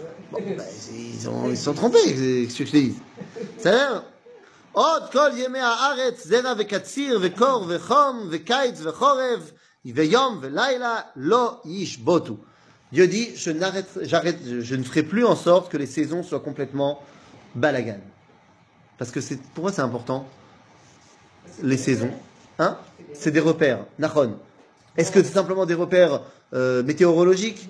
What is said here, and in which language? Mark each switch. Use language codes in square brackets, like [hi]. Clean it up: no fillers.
[fr] Bon, bah, ils sont trompés, qu'est-ce que je te dis ? Ça a l'air ? [he] עוד כל ימי הארץ, זרע וקציר וקור וחום וקיץ וחורף ויום ולילה לא ישבוטו. [fr] Dieu dit, je ne ferai plus en sorte que les saisons soient complètement balagan. Parce que c'est, pourquoi c'est important ? Les saisons, hein ? C'est des repères. Nachon. Est-ce que c'est simplement des repères météorologiques ?